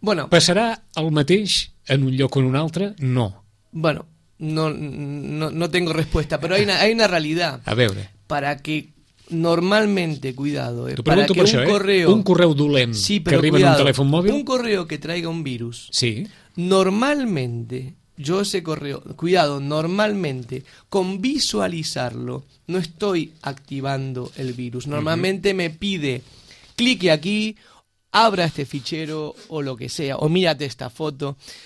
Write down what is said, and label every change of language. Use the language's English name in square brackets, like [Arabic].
[Catalan] Passarà el mateix en un lloc o en un altre? No. [Spanish] Bueno, no tengo respuesta, però hay una realidad. [Catalan] A veure. [Spanish] Para que normalmente, cuidado, [Catalan] un correu dolent que arriba en un telèfon mòbil... [Spanish] Un correu que traiga un virus, sí. Normalmente, yo ese correo, cuidado, normalmente, con visualizarlo, no estoy activando el virus. Normalmente me pide, clique aquí, abra este fichero o lo que sea, o mírate esta foto.